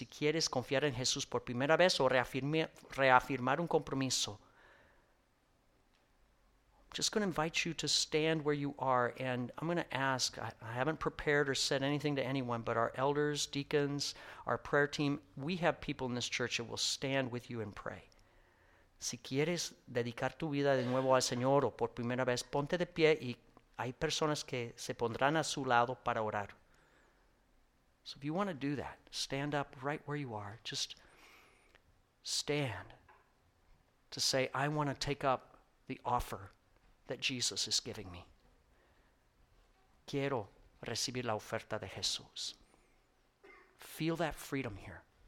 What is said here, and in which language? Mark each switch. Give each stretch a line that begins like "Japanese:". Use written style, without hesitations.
Spanish: Si quieres confiar en Jesús por primera vez
English: o reafirmar un compromiso, I'm just going to invite you to stand where you are, and I'm going to ask, I haven't prepared or said anything to anyone, but our elders, deacons, our prayer team, we have people in this church that will stand with you and pray.
Spanish: Si quieres dedicar tu vida de nuevo al Señor o por primera vez, ponte de pie y hay personas que se pondrán a su lado para orar.
English: So if you want to do that, stand up right where you are. Just stand to say, I want to take up the offer that Jesus is giving me.
Spanish: Quiero recibir la oferta de Jesús.
English: Feel that freedom here.